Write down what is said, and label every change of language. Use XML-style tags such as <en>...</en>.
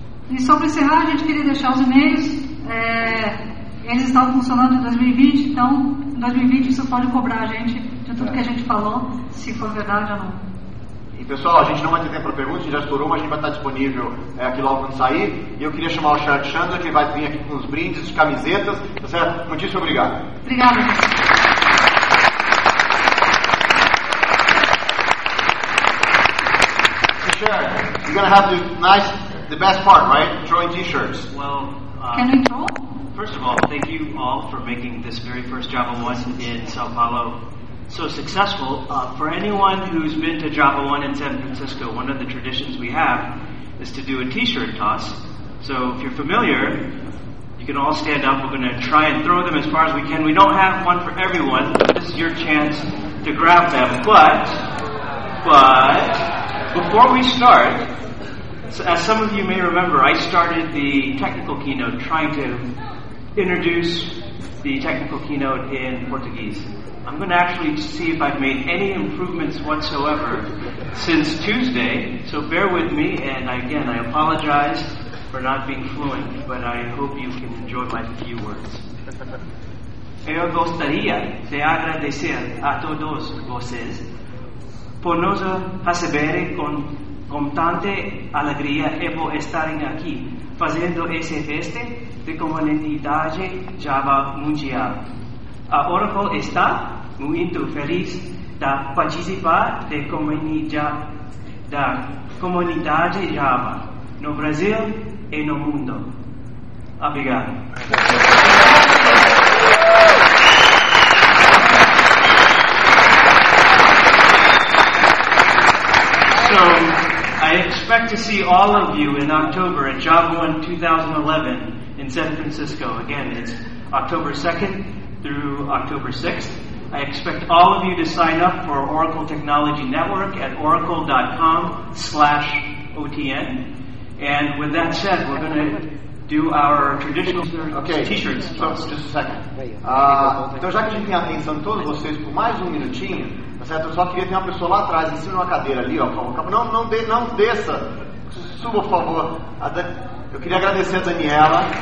<pt>E só para encerrar, a gente queria deixar os e-mails. Eles estavam funcionando em 2020, então em 2020 isso pode cobrar a gente de tudo que a gente falou, se for verdade ou não. E pessoal, a gente não vai ter tempo para perguntas, a gente já estourou, mas a gente vai estar disponível aqui logo quando sair. E eu queria chamar o Charles Chandler, que vai vir aqui com os brindes, as camisetas, tá certo? Muitíssimo obrigado. Obrigada.</pt> <en>So, Charles, you're going to have the best part, right? Throwing t-shirts. Well, can we throw? First of all, thank you all for making this very first Java One in Sao Paulo so successful. For anyone who's been to Java One in San Francisco, one of the traditions we have is to do a t-shirt toss. So if you're familiar, you can all stand up. We're going to try and throw them as far as we can. We don't have one for everyone. This is your chance to grab them. But before we start, so as some of you may remember, I started the technical keynote trying to introduce the technical keynote in Portuguese. I'm going to actually see if I've made any improvements whatsoever since Tuesday, so bear with me, and again, I apologize for not being fluent, but I hope you can enjoy my few words.</en> <pt>Eu gostaria de agradecer a todos vocês por nos receberem com tanta alegria e por estarem aqui fazendo esse feste de comunidade Java Mundial. Oracle está muito feliz de participar da comunidade Java no Brasil e no mundo. Obrigado.</pt> <en>So, I expect to see all of you in October at Java 1 2011 in San Francisco. Again, it's October 2nd through October 6th. I expect all of you to sign up for Oracle Technology Network at oracle.com/OTN. And with that said, we're going to do our traditional t-shirts. Just a second.</en> <pt>Então, já que a gente tem a atenção de todos vocês por mais um minutinho, certo? Eu só queria ter uma pessoa lá atrás, em cima de uma cadeira ali, ó. Não desça. Suba, por favor. Eu queria agradecer a Daniela.</pt>